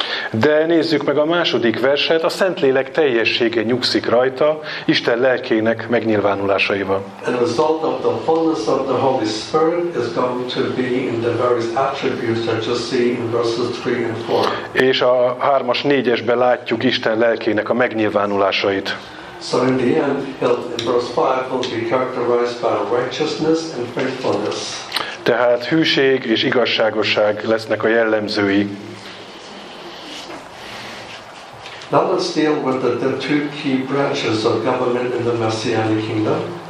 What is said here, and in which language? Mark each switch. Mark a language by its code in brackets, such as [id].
[hu] De nézzük meg a második verset, a Szentlélek teljessége nyugszik rajta, Isten lelkének megnyilvánulása. [en] And the result of the fullness of the Holy Spirit is going to be in the various attributes that you see in verses 3 and 4. [hu] És a 3-as, 4-esben látjuk Isten lelkének a megnyilvánulásait. [en] So in the end, in verse 5, will be characterized by righteousness and faithfulness. [hu] Tehát hűség és igazságosság lesznek a jellemzői. [en] Now let's deal with the two key branches of government in the Messianic kingdom.